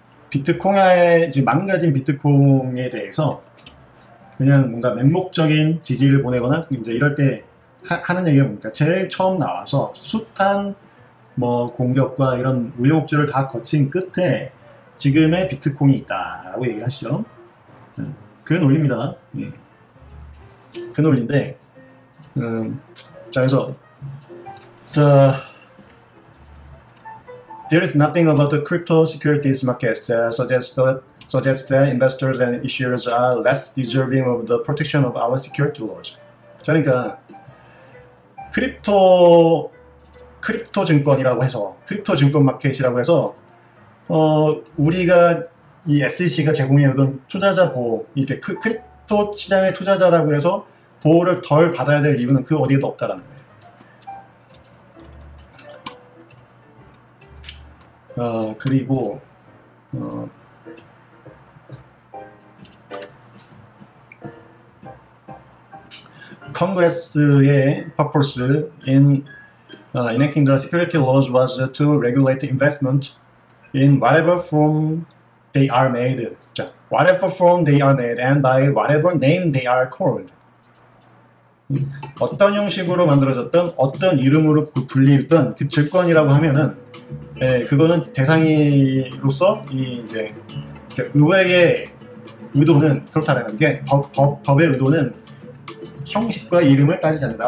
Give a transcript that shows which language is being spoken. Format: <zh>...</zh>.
<ko>비트콩에 지금 망가진 비트콩에 대해서 그냥 뭔가 맹목적인 지지를 보내거나 이제 이럴 때 하는 얘기가 뭡니까? 제일 처음 나와서 숱한 뭐 공격과 이런 우여곡절을 다 거친 끝에 지금의 비트콩이 있다라고 얘기를 하시죠. 그 논리입니다. 그 논리인데, 자, 그래서, 자,</ko> <en>There is nothing about the crypto securities markets that suggests that investors and issuers are less deserving of the protection of our security laws.</en> <ko>자, 그러니까 크립토 증권이라고 해서 크립토 증권 마켓이라고 해서 우리가 이 SEC가 제공해주던 투자자 보호, 이렇게 크립토 시장의 투자자라고 해서 보호를 덜 받아야 될 이유는 그 어디에도 없다라는 거예요. 그리고</ko> <en>Congress의 purpose in enacting the security laws was to regulate investment in whatever form they are made. 자, whatever form they are made and by whatever name they are called.</en> <ko>어떤 형식으로 만들어졌던, 어떤 이름으로 불리우던 그 증권이라고 하면은 예, 그거는 대상이로서 이 이제 의회의 의도는 그렇다라는 게 법의 의도는 형식과 이름을 따지지 않는다.</ko>